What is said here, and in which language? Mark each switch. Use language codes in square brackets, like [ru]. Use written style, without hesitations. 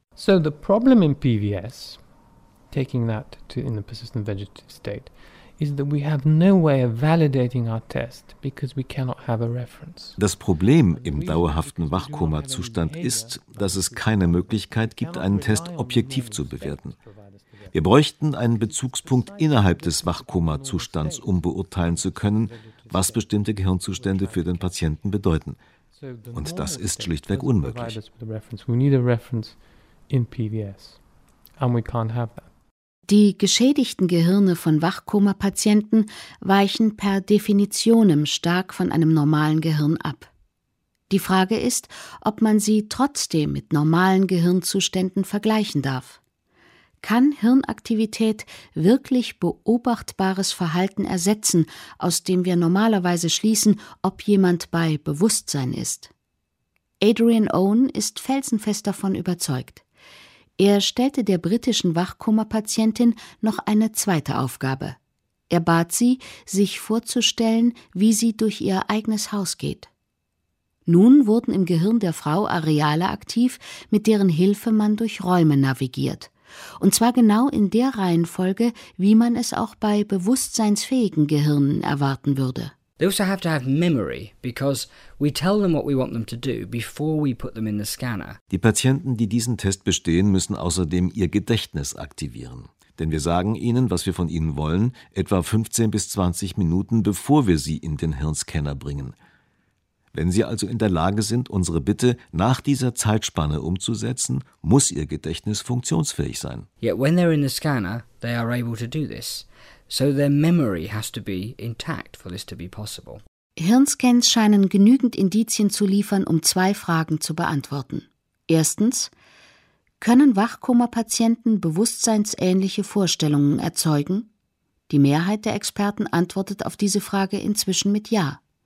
[en] So the problem in PVS, taking that to in the persistent vegetative state, is that we have no way of validating our test because we cannot have a reference. [de] Das Problem im dauerhaften Wachkoma-Zustand ist, dass es keine Möglichkeit gibt, einen Test objektiv zu bewerten. Wir bräuchten einen Bezugspunkt innerhalb des Wachkoma-Zustands, um beurteilen zu können, was bestimmte Gehirnzustände für den Patienten bedeuten. Und das ist schlichtweg unmöglich. [en] We need a reference in PVS and we can't have that. [de] Die geschädigten Gehirne von Wachkoma-Patienten weichen per Definition stark von einem normalen Gehirn ab. Die Frage ist, ob man sie trotzdem mit normalen Gehirnzuständen vergleichen darf. Kann Hirnaktivität wirklich beobachtbares Verhalten ersetzen, aus dem wir normalerweise schließen, ob jemand bei Bewusstsein ist? Adrian Owen ist felsenfest davon überzeugt. Er stellte der britischen Wachkoma-Patientin noch eine zweite Aufgabe. Er bat sie, sich vorzustellen, wie sie durch ihr eigenes Haus geht. Nun wurden im Gehirn der Frau Areale aktiv, mit deren Hilfe man durch Räume navigiert. Und zwar genau in der Reihenfolge, wie man es auch bei bewusstseinsfähigen Gehirnen erwarten würde. [en] They also have to have memory because we tell them what we want them to do before we put them in the scanner. [de] Die Patienten, die diesen Test bestehen, müssen außerdem ihr Gedächtnis aktivieren, denn wir sagen ihnen, was wir von ihnen wollen, etwa 15 bis 20 Minuten bevor wir sie in den Hirnscanner bringen. Wenn sie also in der Lage sind, unsere Bitte nach dieser Zeitspanne umzusetzen, muss ihr Gedächtnis funktionsfähig sein. [en] Yet when they're in the scanner, they are able to do this. So their memory has to be intact for this to be possible. [de] Hirnscans scheinen genügend Indizien zu liefern, um zwei Fragen zu beantworten. Erstens, können Wachkoma-Patienten bewusstseinsähnliche Vorstellungen erzeugen? Die Mehrheit der Experten antwortet auf diese Frage inzwischen mit Ja.